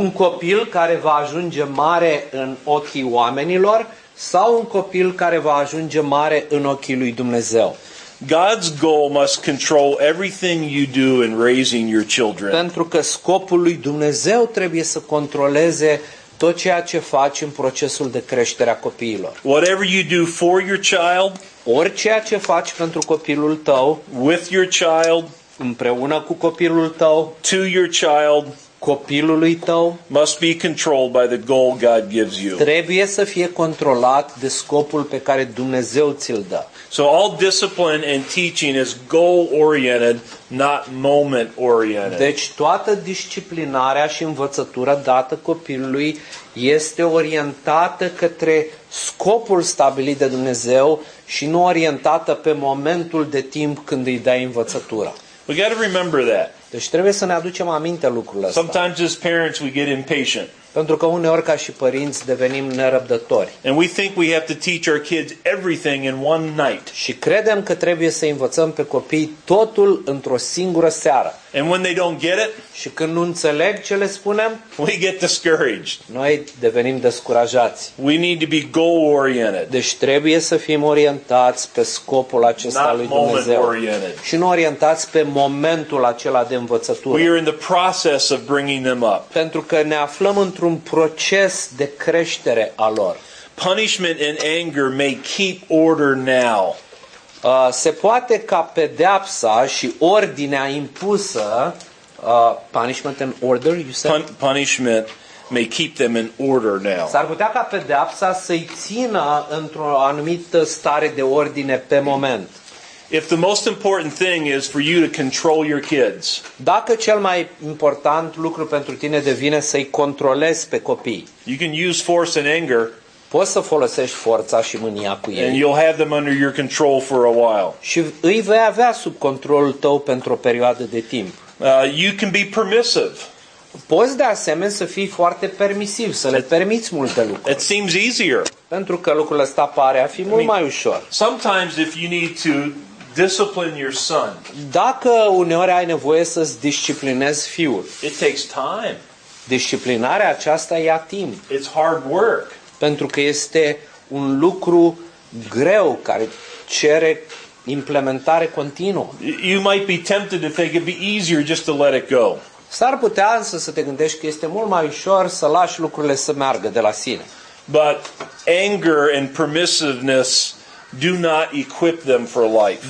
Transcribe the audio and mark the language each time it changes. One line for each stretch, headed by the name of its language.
Romanian: Un copil care va ajunge mare în ochii oamenilor sau un copil care va ajunge mare în ochii lui Dumnezeu?
English: God's goal must control everything you do in raising your children.
Romanian: Pentru că scopul lui Dumnezeu trebuie să controleze tot ceea ce faci în procesul de creștere a copiilor.
English: Whatever you do for your child,
Romanian: oriceea ce faci pentru copilul tău,
English: with your child,
Romanian: împreună cu copilul tău,
English: to your child,
Romanian: copilului tău,
English: must be controlled by the goal God gives you.
Romanian: Trebuie să fie controlat de scopul pe care Dumnezeu ți-l dă.
English: So all discipline and teaching is goal oriented, not moment oriented.
Romanian: Deci toată disciplinarea și învățătura dată copilului este orientată către scopul stabilit de Dumnezeu și nu orientată pe momentul de timp când îi dai învățătura.
English: We got to remember that.
Romanian: Deci trebuie să ne aducem aminte lucrul ăsta.
English: Sometimes as parents we get impatient.
Romanian: Pentru că uneori ca și părinți devenim nerăbdători.
English: And we think we have to teach our kids everything in one night.
Romanian: Și credem că trebuie să învățăm pe copii totul într-o singură seară.
English: And when they don't get it,
Romanian: și când nu înțeleg ce le spunem,
English: we get discouraged.
Romanian: Noi devenim descurajați.
English: We need to be goal oriented.
Romanian: Deci trebuie să fim orientați pe scopul acesta
English: not
Romanian: lui Dumnezeu. Și nu orientați pe momentul acela de învățătură.
English: We are in the process of bringing them up.
Romanian: Pentru că ne aflăm în într-un proces de creștere a lor.
English: Punishment and anger may keep order now.
Romanian: Se poate ca pedeapsa și ordinea impusă,
English: punishment and order, you said? Punishment may keep them in order now.
Romanian: S-ar putea ca pedeapsa să-i țină într-o anumită stare de ordine pe moment.
English: If the most important thing is for you to control your kids.
Romanian: Dacă cel mai important lucru pentru tine devine să-i controlezi pe copii.
English: You can use force and anger.
Romanian: Poți să folosești forța și mânia cu ei.
English: And you'll have them under your control for a while.
Romanian: Și îi vei avea sub controlul tău pentru o perioadă de timp.
English: You can be permissive.
Romanian: Poți de asemenea să fii foarte permisiv, să le permiți multe lucruri.
English: It seems easier.
Romanian: Pentru că lucrul ăsta pare a fi mult mai ușor.
English: Sometimes if you need to discipline your son.
Romanian: Dacă uneori ai nevoie să-ți disciplinezi fiul.
English: It takes time.
Romanian: Disciplinarea aceasta ia timp.
English: It's hard work.
Romanian: Pentru că este un lucru greu care cere implementare continuă.
English: You might be tempted to think it'd be easier just to let it go.
Romanian: S-ar putea însă să te gândești că este mult mai ușor să lași lucrurile să meargă de la sine.
English: But anger and permissiveness do not equip them for life.